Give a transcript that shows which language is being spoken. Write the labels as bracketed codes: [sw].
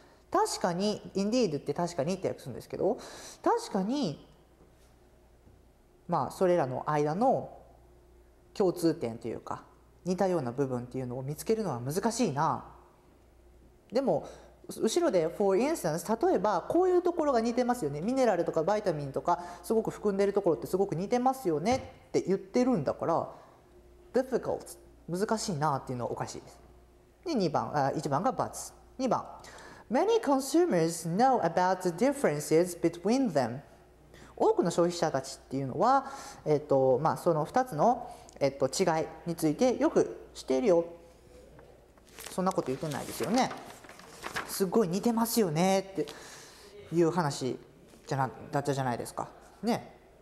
[ja] 確かに、indeed って確かにって訳すんですけど、確かに、まあ、それらの間の共通点というか、似たような部分っていうのを見つけるのは難しいな。でも、後ろで for instance 例えばこういうところが似てますよね、ミネラルとかバイタミンとかすごく含んでるところってすごく似てますよねって言ってるんだから difficult 難しいなっていうのはおかしいです。で1番が buts。 [en] 2番、 Many consumers know about the differences between them。 [ja] 多くの消費者たちっていうのは、まあ、その2つの、違いについてよく知っているよ。そんなこと言ってないですよね。すごい似てますよねっていう話だったじゃないですかね。